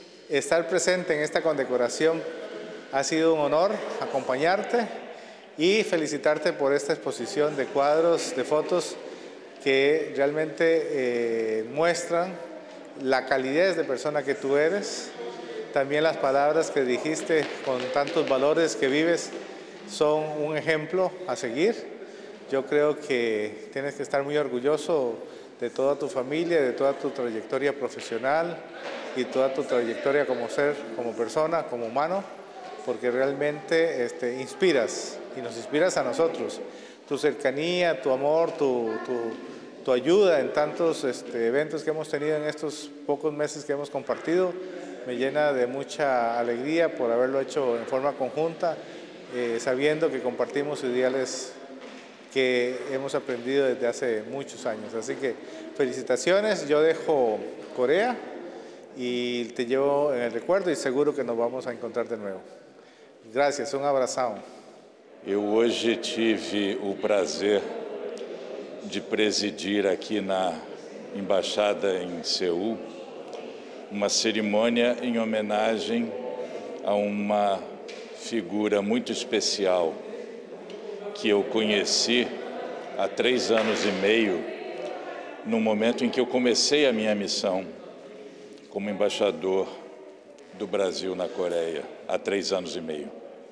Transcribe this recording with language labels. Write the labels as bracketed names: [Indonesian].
[Portuguese] Estar presente em esta condecoração ha sido um honor acompanhar-te e felicitar-te por esta exposição de quadros, de fotos que realmente mostram a calidez de pessoa que tu eres. [Spanish] También las palabras que dijiste con tantos valores que vives son un ejemplo a seguir. Yo creo que tienes que estar muy orgulloso de toda tu familia, de toda tu trayectoria profesional y toda tu trayectoria como ser, como persona, como humano, porque realmente inspiras y nos inspiras a nosotros. Tu cercanía, tu amor, tu ayuda en tantos eventos que hemos tenido en estos pocos meses que hemos compartido, me llena de mucha alegría por haberlo hecho en forma conjunta, sabiendo que compartimos ideales que hemos aprendido desde hace muchos años. Así que felicitaciones, yo dejo Corea y te llevo en el recuerdo y seguro que nos vamos a encontrar de nuevo. Gracias, un abrazo. [Portuguese] Eu hoje tive o prazer de presidir aqui na embaixada em Seul uma cerimônia em homenagem a uma figura muito especial que eu conheci há 3 anos e meio, no momento em que eu comecei a minha missão como embaixador do Brasil na Coreia, há 3 anos e meio.